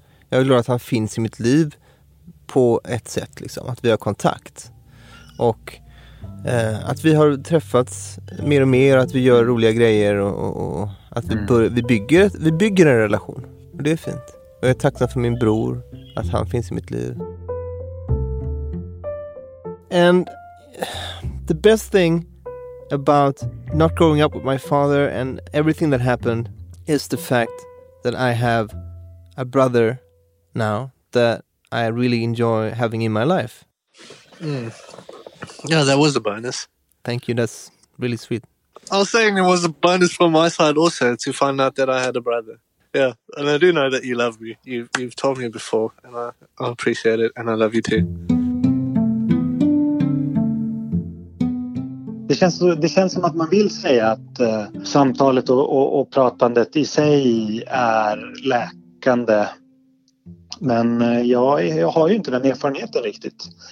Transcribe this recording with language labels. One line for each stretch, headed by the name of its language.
Swedish: Jag är glad att han finns i mitt liv på ett sätt liksom, att vi har kontakt och att vi har träffats mer och mer, att vi gör roliga grejer och att vi bygger en relation, och det är fint. Och jag är tacksam för min bror, att han finns i mitt liv.
English: And the best thing about not growing up with my father and everything that happened is the fact that I have a brother now that I really enjoy having in my life. Yeah, that was a bonus. Thank you, that's really sweet. I was saying it was a bonus from my side also to find out that I had a brother. Yeah, and I do know that you love me. You've told me before, and I appreciate it, and I love you too.
Swedish: Det känns som att man vill säga att samtalet och pratandet i sig är läkande. Men jag har ju inte den erfarenheten riktigt.